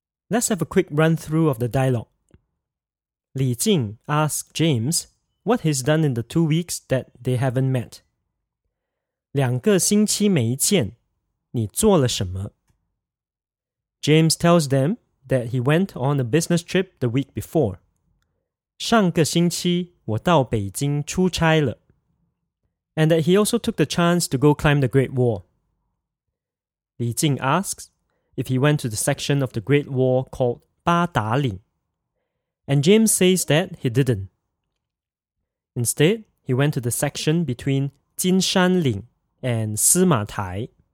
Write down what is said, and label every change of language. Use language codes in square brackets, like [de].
[en] Let's have a quick run through of the dialogue. 李静 asks James, what he's done in the 2 weeks that they haven't met. [zh] 两个星期没见，你做了什么？ [en] James tells them that he went on a business trip the week before. [zh] 上个星期我到北京出差了。 [en] And that he also took the chance to go climb the Great Wall. 李靖 asks if he went to the section of the Great Wall called 八达岭。 And James says that he didn't. Instead, he went to the section between 金山岭 and 司马台。